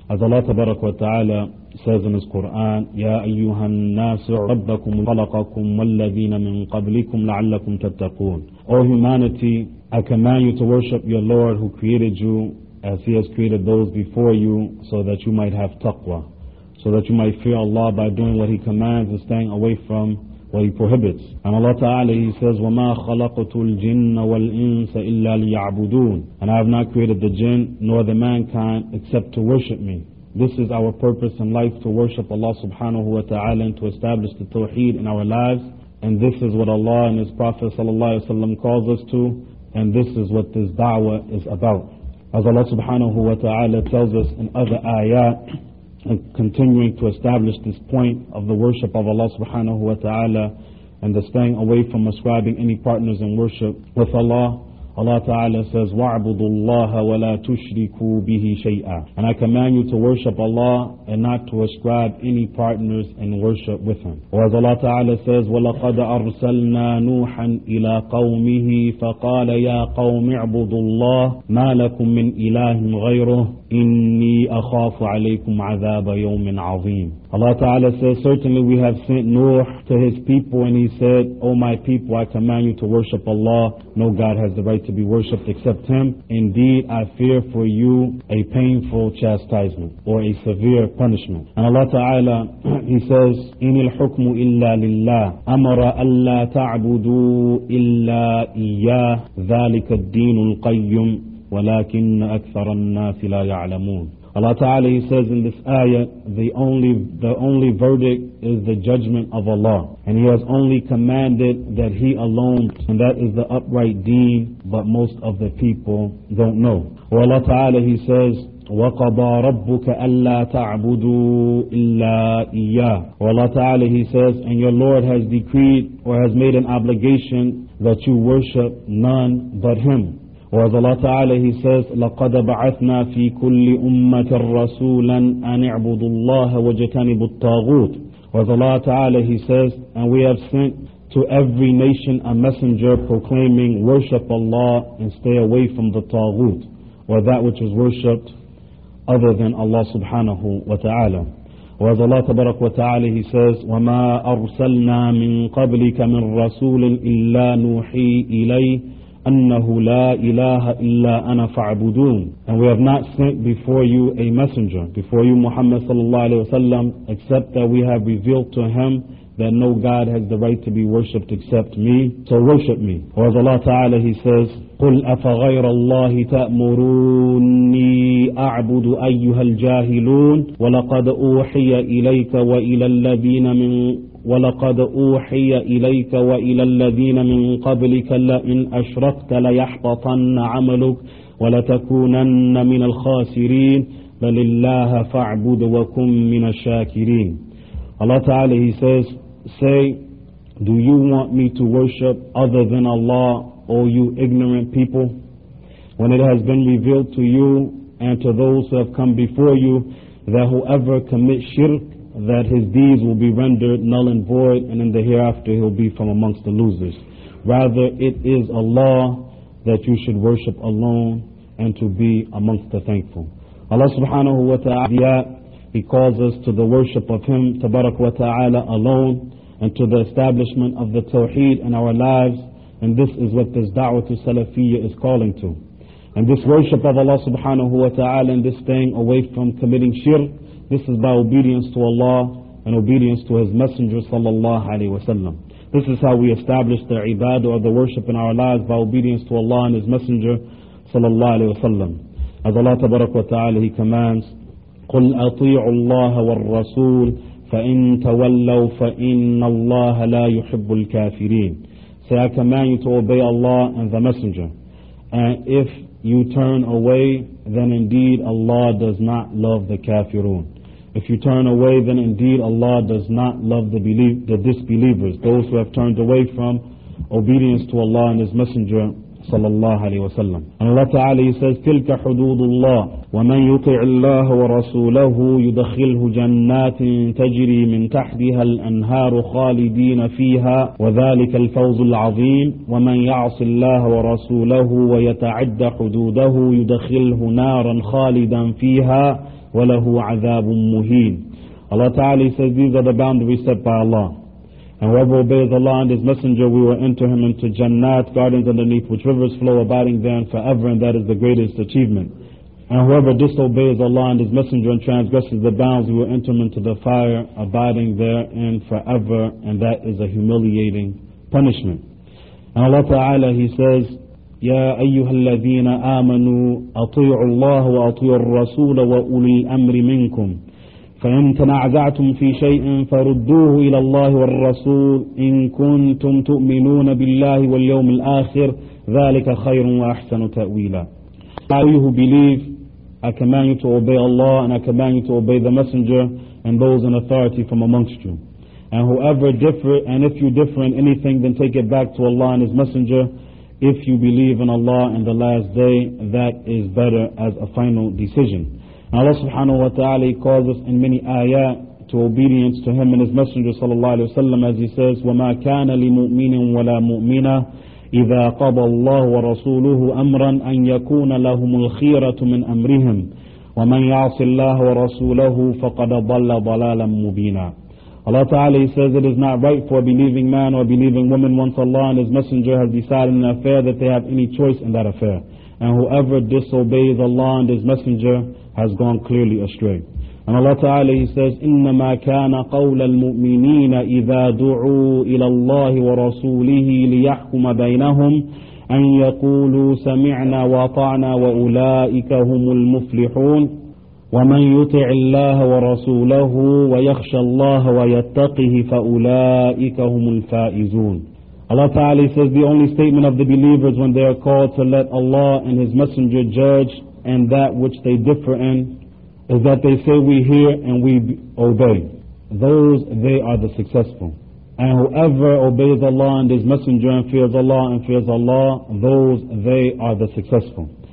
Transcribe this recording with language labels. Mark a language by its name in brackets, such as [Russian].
[English] As Allah tabarak wa ta'ala says in His Quran, [Arabic] يَا أَيُّهَا النَّاسُ رَبَّكُمْ خَلَقَكُمْ وَالَّذِينَ مِنْ قَبْلِكُمْ لَعَلَّكُمْ تَتَّقُونَ. [English] O humanity, I command you to worship your Lord who created you as He has created those before you, so that you might have taqwa, so that you might fear Allah by doing what He commands and staying away from what He prohibits. And Allah Ta'ala, He says, [Arabic] وَمَا خَلَقْتُ الْجِنَّ وَالْإِنسَ إِلَّا لِيَعْبُدُونَ. [English] And I have not created the jinn nor the mankind except to worship me. This is our purpose in life, to worship Allah subhanahu wa ta'ala and to establish the tawheed in our lives. And this is what Allah and His Prophet sallallahu alayhi wa sallam calls us to. And this is what this da'wah is about. As Allah subhanahu wa ta'ala tells us in other ayat, continuing to establish this point of the worship of Allah subhanahu wa ta'ala and the staying away from ascribing any partners in worship with Allah. Allah Ta'ala says, [Arabic] وَعْبُدُ اللَّهَ وَلَا تُشْرِكُوا بِهِ شَيْئًا. [English] And I command you to worship Allah and not to ascribe any partners in worship with Him. Or as Allah Ta'ala says, [Arabic] وَلَقَدْ أَرْسَلْنَا نُوحًا إِلَىٰ قَوْمِهِ فَقَالَ يَا قَوْمِ اعْبُدُ اللَّهَ مَا لَكُم مِّنْ إِلَٰهٍ غَيْرُهُ إِنِّي أَخَافُ عَلَيْكُمْ عَذَابَ يَوْمٍ عَظِيمٍ. [English] Allah Ta'ala says, certainly we have sent Nuh to his people and he said, O my people, I command you to worship Allah. No God has the right to be worshipped except Him. Indeed, I fear for you a painful chastisement or a severe punishment. And Allah Ta'ala, He says, [Arabic] إِنِ الْحُكْمُ إِلَّا لِلَّهِ أَمَرَ أَلَّا تَعْبُدُوا إِلَّا إِيَّاهِ ذَلِكَ الدِّينُ الْقَيُّمُ وَلَكِنَّ أَكْثَرَ النَّاسِ لَا يَعْلَمُونَ. [English] Allah Ta'ala, He says in this ayah, the only verdict is the judgment of Allah. And He has only commanded that He alone, and that is the upright deen, but most of the people don't know. Or Allah Ta'ala, He says, [Arabic] وَقَضَى رَبُّكَ أَلَّا تَعْبُدُوا إِلَّا إِيَّاهُ. [English] Or Allah Ta'ala, He says, and your Lord has decreed or has made an obligation that you worship none but Him. Or as Allah Ta'ala, He says, [Arabic] لَقَدَ بَعَثْنَا فِي كُلِّ أُمَّةٍ رَسُولًا أَنِ اعْبُدُ اللَّهَ وَجَتَنِبُ الطَّاغُوتِ. [English] Or as Allah Ta'ala, He says, and we have sent to every nation a messenger proclaiming, worship Allah and stay away from the ta'ghut, or that which is worshipped other than Allah subhanahu wa ta'ala. Or as Allah Tabarak wa Ta'ala, He says, [Arabic] وَمَا أَرْسَلْنَا مِن قَبْلِكَ مِن رَسُولٍ إِلَّا نُوحِي إِلَيْهِ أَنَّهُ لَا إِلَهَ إِلَّا أَنَا فَعْبُدُونَ. [English] And we have not sent before you a messenger, before you Muhammad sallallahu alayhi wa sallam, except that we have revealed to him that no God has the right to be worshipped except me, so worship me. Or as Allah Ta'ala, He says, [Arabic] قُلْ أَفَغَيْرَ اللَّهِ تَأْمُرُونِي أَعْبُدُ أَيُّهَا الْجَاهِلُونَ وَلَقَدْ أُوحِيَ إِلَيْكَ وَإِلَى الَّذِينَ مِنْ وَلَقَدْ أُوحِيَ إِلَيْكَ وَإِلَى الَّذِينَ مِنْ قَبْلِكَ لَئِنْ أَشْرَكْتَ لَيَحْبَطَنَّ عَمَلُكَ وَلَتَكُونَنَّ مِنَ الْخَاسِرِينَ بَلِ اللَّهَ فَاعْبُدْ وَكُنْ مِنَ الشَّاكِرِينَ. [English] Allah Ta'ala, He says, say, do you want me to worship other than Allah, O you ignorant people? When it has been revealed to you and to those who have come before you that whoever commits shirk, that his deeds will be rendered null and void, and in the hereafter he'll be from amongst the losers. Rather, it is Allah that you should worship alone and to be amongst the thankful. Allah subhanahu wa ta'ala, He calls us to the worship of Him, tabarak wa ta'ala, alone, and to the establishment of the tawheed in our lives, and this is what this da'wah to salafiyya is calling to. And this worship of Allah subhanahu wa ta'ala and this staying away from committing shirk, this is by obedience to Allah and obedience to His Messenger sallallahu alayhi wa sallam. This is how we establish the ibadah or the worship in our lives, by obedience to Allah and His Messenger sallallahu alayhi wa sallam. As Allah tabarak wa ta'ala, He commands, [Arabic] قُلْ أَطِيعُ اللَّهَ وَالرَّسُولِ فَإِنْ تَوَلَّوْا فَإِنَّ اللَّهَ لَا يُحِبُّ الْكَافِرِينَ. [English] Say, I command you to obey Allah and the Messenger. And if you turn away, then indeed Allah does not love the kafirun. If you turn away, then indeed Allah does not love the disbelievers, those who have turned away from obedience to Allah and His Messenger sallallahu alaihi wasallam. And Allah Ta'ala, He says, [Arabic] تِلْكَ حُدُودُ اللَّهِ وَمَنْ يُطِعِ اللَّهَ وَرَسُولَهُ يُدَخِلْهُ جَنَّاتٍ تَجْرِي مِنْ تَحْتِهَا الْأَنْهَارُ خَالِدِينَ فِيهَا وَذَلِكَ الْفَوْزُ الْعَظِيمُ وَمَنْ يَعْصِ اللَّهَ وَرَسُولَهُ وَيَتَعَدَّ حُدُودَهُ يُدَخِلْهُ نَارًا خَالِدًا فِيهَا وَلَهُ عَذَابٌ مُهِينٌ. [English] Allah Ta'ala says, these are the boundaries set by Allah. And whoever obeys Allah and His Messenger, we will enter him into Jannat, gardens underneath which rivers flow, abiding there forever, and that is the greatest achievement. And whoever disobeys Allah and His Messenger and transgresses the bounds, we will enter him into the fire, abiding there in forever, and that is a humiliating punishment. And Allah Ta'ala, He says, [Arabic] يَا أَيُّهَا الَّذِينَ آمَنُوا أَطِيعُوا اللَّهَ وَأَطِيعُوا الرَّسُولَ وَأُولِي أَمْرِ مِنْكُمْ فَإِنْ تَنَعْزَعْتُمْ فِي شَيْءٍ فَرُدُّوهُ إِلَى اللَّهِ وَالرَّسُولِ إِنْ كُنْتُمْ تُؤْمِنُونَ بِاللَّهِ وَالْيَوْمِ الْآخِرِ ذَلِكَ خَيْرٌ وَأَحْسَنُ تَأْوِيلًا. [English] I who believe I command you to obey Allah, and I command you to obey the Messenger and those in authority from amongst you. And whoever differ, and if you differ in anything, then take it back to Allah and His Messenger. If you believe in Allah and the last day, that is better as a final decision. Now Allah subhanahu wa ta'ala calls us in many ayat to obedience to Him and His Messenger sallallahu alayhi wa sallam, as He says, [Arabic] وَمَا كَانَ لِمُؤْمِنٍ وَلَا مُؤْمِنَةٍ إِذَا قَضَى اللَّهُ وَرَسُولُهُ أَمْرًا أَنْ يَكُونَ لَهُمُ الْخِيَرَةُ مِنْ أَمْرِهِمْ وَمَنْ يَعْصِ اللَّهُ وَرَسُولَهُ فَقَدَ ضَلَّ ضَلَالًا مُبِينًا. [English] Allah Ta'ala, He says, it is not right for a believing man or a believing woman, once Allah and His Messenger have decided an affair, that they have any choice in that affair. And whoever disobeys Allah and His Messenger has gone clearly astray. And Allah Ta'ala, He says, [Arabic] إِنَّمَا كَانَ قَوْلَ الْمُؤْمِنِينَ إِذَا دُعُوا إِلَى اللَّهِ وَرَسُولِهِ لِيَحْكُمَ بَيْنَهُمْ أَنْ يَقُولُوا سَمِعْنَا وَطَعْنَا وَأُولَئِكَ هُمُ الْمُفْلِحُونَ وَمَنْ يُطِعِ اللَّهَ وَرَسُولَهُ وَيَخْشَى اللَّهَ وَيَتَّقِهِ فَأُولَٰئِكَ هُمُ الْفَائِزُونَ. [English] Allah Ta'ala says, the only statement of the believers when they are called to let Allah and His Messenger judge and that which they differ in is that they say, we hear and we obey. Those, they are the successful. And whoever obeys Allah and His Messenger and fears Allah and fears Allah, those, they are the successful.